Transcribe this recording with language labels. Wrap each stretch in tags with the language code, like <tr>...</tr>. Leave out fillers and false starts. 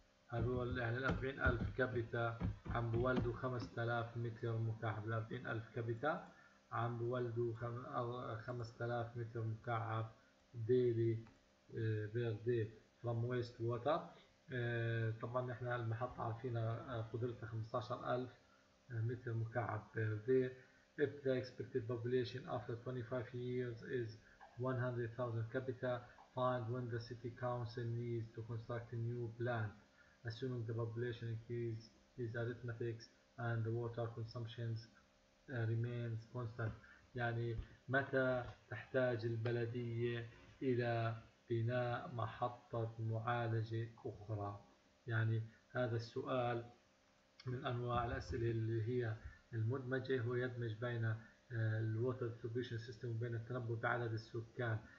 <ar>هذول يعني 40,000 كابيتا عم بولدوا 5,000 متر مكعب، 40,000 كابيتا عم بولدوا 5,000 متر مكعب</ar> <en>Daily per day from waste water.</en> <ar>طبعا احنا المحطة عارفين قدرتها 15,000 متر مكعب بير دي.</ar> <en>If the expected population after 25 years is 100,000 capita, find when the city council needs to construct a new plant, assuming the population increase is arithmetic and the water consumption remains constant.</en> <ar>يعني متى تحتاج البلدية إلى بناء محطة معالجة أخرى؟ يعني هذا السؤال من أنواع الأسئلة اللي هي المدمجة، هو يدمج بين الـ Water Distribution System وبين التنبؤ بعدد السكان.</ar>